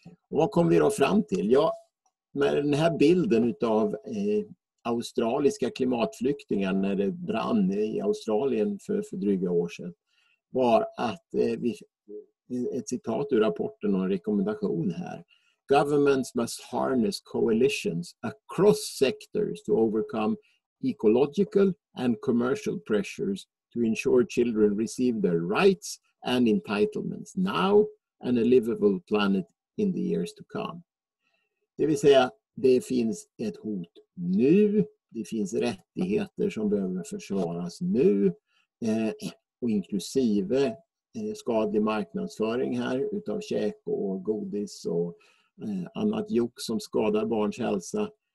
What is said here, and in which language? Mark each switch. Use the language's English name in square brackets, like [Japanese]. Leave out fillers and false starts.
[Swedish] Och vad kom vi då fram till? Ja, med den här bilden av australiska klimatflyktingar när det brann i Australien för dryga år sedan var att ett citat ur rapporten och en rekommendation här. [English] Governments must harness coalitions across sectors to overcome ecological and commercial pressures to ensure children receive their rights and entitlements now and a livable planet in the years to come. [Swedish] Det vill säga, det finns ett hot nu, det finns rättigheter som behöver försvaras nu, och inklusive skadlig marknadsföring här utav käk och godis och annat jok som skadar barns hälsa.